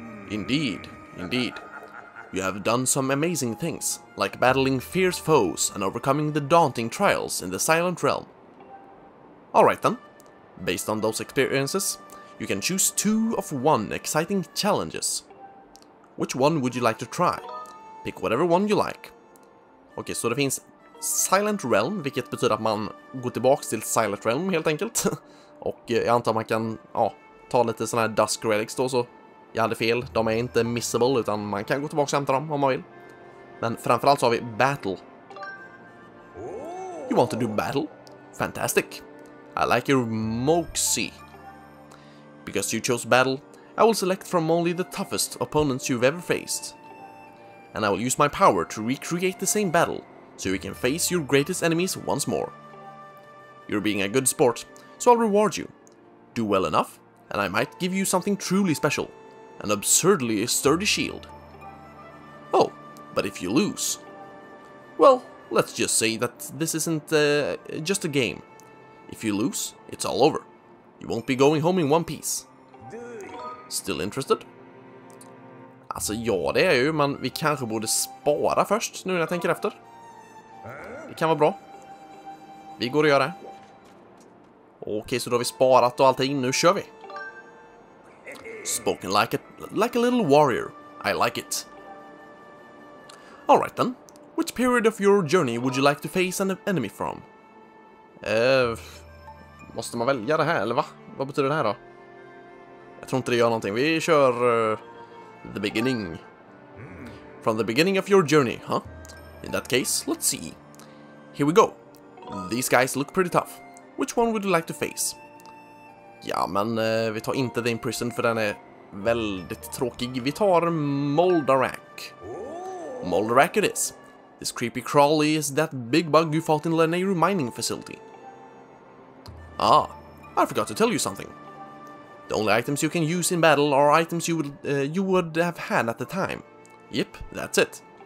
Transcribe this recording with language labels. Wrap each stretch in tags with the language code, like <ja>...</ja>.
<en>Indeed. You have done some amazing things, like battling fierce foes and overcoming the daunting trials in the Silent Realm. Alright then, based on those experiences, you can choose two of one exciting challenges. Which one would you like to try? Pick whatever one you like.</en> <sv>Okay, so det finns Silent Realm, vilket betyder att man går tillbaka till Silent Realm helt enkelt. Och jag antar man kan, ja, ta lite sådana här Dusk Relics då, så jag hade fel. De är inte missable, utan man kan gå tillbaka och hämta dem om man vill. Men framförallt så har vi Battle.</sv> <en>You want to do Battle? Fantastic. I like your moxie. Because you chose Battle, I will select from only the toughest opponents you've ever faced. And I will use my power to recreate the same battle, so you can face your greatest enemies once more. You're being a good sport, so I'll reward you. Do well enough, and I might give you something truly special. An absurdly sturdy shield. Oh, but if you lose... Well, let's just say that this isn't just a game. If you lose, it's all over. You won't be going home in one piece. Still interested?</en> <sv>Alltså ja, det är ju, men vi kanske borde spara först, nu när jag tänker efter. Det kan vara bra. Vi går och gör det. Okej, så då har vi sparat och allting. Nu kör vi.</sv> <en>Spoken like a little warrior. I like it. Alright then. Which period of your journey would you like to face an enemy from?</en> <sv>Måste man välja det här, eller va? Vad betyder det här då? Jag tror inte det gör någonting. Vi kör...</sv> <en>the beginning. From the beginning of your journey, huh? In that case, let's see. Here we go. These guys look pretty tough. Which one would you like to face?</en> <sv>Ja, men vi tar inte The Imprisoned för den är väldigt tråkig. Vi tar Moldarak.</sv> <en>Moldarak it is. This creepy crawly is that big bug you fought in Lanayru mining facility. Ah, I forgot to tell you something. The only items you can use in battle are items you would have had at the time. Yep, that's it.</en>